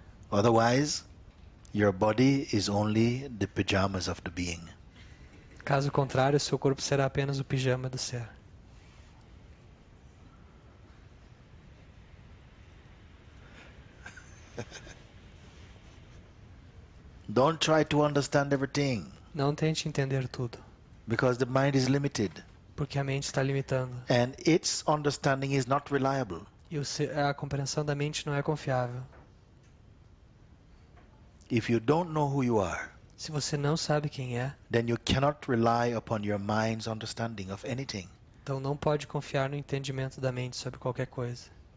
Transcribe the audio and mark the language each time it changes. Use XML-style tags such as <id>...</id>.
<en>Otherwise, your body is only the pajamas of the being.</en> <pt>Caso contrário, seu corpo será apenas o pijama do ser.</pt> <en>Don't try to understand everything.</en> <pt>Não tente entender tudo.</pt> <en>Because the mind is limited.</en> <pt>Porque a mente está limitando.</pt> <en>And its understanding is not reliable.</en> <pt>E a compreensão da mente não é confiável.</pt> <en>If you don't know who you are,</en> <pt>se você não sabe quem é,</pt> <en>then you cannot rely upon your mind's understanding of anything.</en> <pt>Então não pode confiar no entendimento da mente sobre qualquer coisa.</pt>